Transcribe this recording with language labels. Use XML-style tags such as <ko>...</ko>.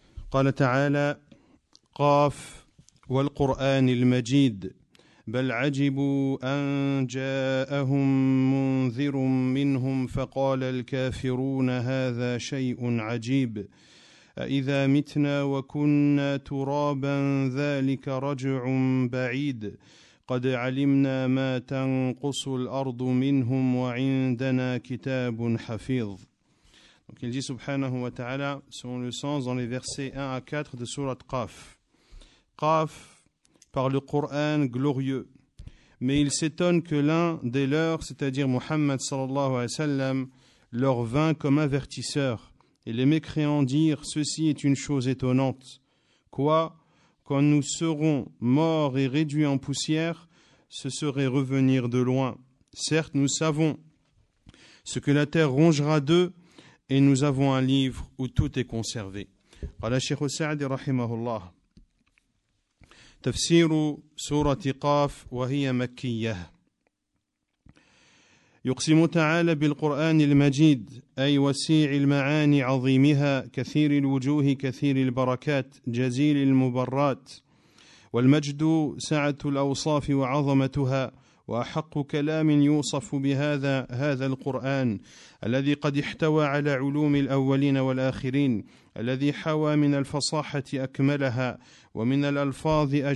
<ar>قال تعالى قاف والقرآن المجيد بل عجبوا أن جاءهم منذر منهم فقال الكافرون هذا شيء عجيب أإذا متنا وكنا ترابا ذلك رجع بعيد قد علمنا ما تنقص الأرض منهم وعندنا كتاب حفيظ.</ar> <fr>Donc il dit subhanahu wa ta'ala, selon le sens, dans les versets 1 à 4 de sourate Qaf. Qaf, par le Coran glorieux. Mais ils s'étonnent que l'un des leurs, c'est-à-dire Muhammad sallallahu alayhi wa sallam, leur vint comme avertisseur. Et les mécréants dirent, ceci est une chose étonnante. Quoi ? Quand nous serons morts et réduits en poussière, ce serait revenir de loin. Certes, nous savons ce que la terre rongera d'eux, et nous avons un livre où tout est conservé.</fr> <ar>قال الشيخ السعدي رحمه الله تفسير سورة قاف وهي مكية. يقسم تعالى بالقرآن المجيد أي وسيع المعاني عظيمها كثير الوجوه كثير البركات جزيل المبرات والمجد سعة الأوصاف وعظمتها وأحق كلام يوصف بهذا هذا القرآن الذي قد احتوى على علوم الأولين والآخرين الذي حوى من الفصاحة أكملها ومن الألفاظ</ar>